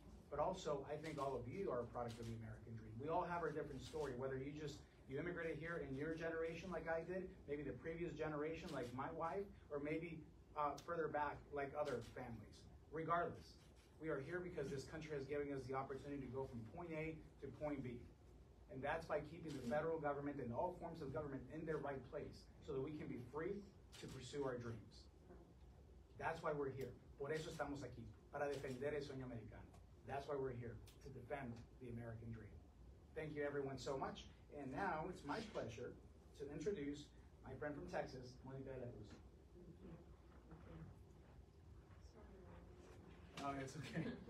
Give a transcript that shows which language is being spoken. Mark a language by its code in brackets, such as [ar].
[en] But also, I think all of you are a product of the American dream. We all have our different story, whether you immigrated here in your generation like I did, maybe the previous generation like my wife, or maybe further back like other families. Regardless, we are here because this country has given us the opportunity to go from point A to point B. And that's by keeping the federal government and all forms of government in their right place so that we can be free to pursue our dreams. That's why we're here. [es] Por eso estamos aquí, para defender el sueño americano. [en] That's why we're here, to defend the American dream. Thank you everyone so much. And now it's my pleasure to introduce my friend from Texas, Monica Lewis. Thank you. Thank you. Sorry. Oh, it's okay.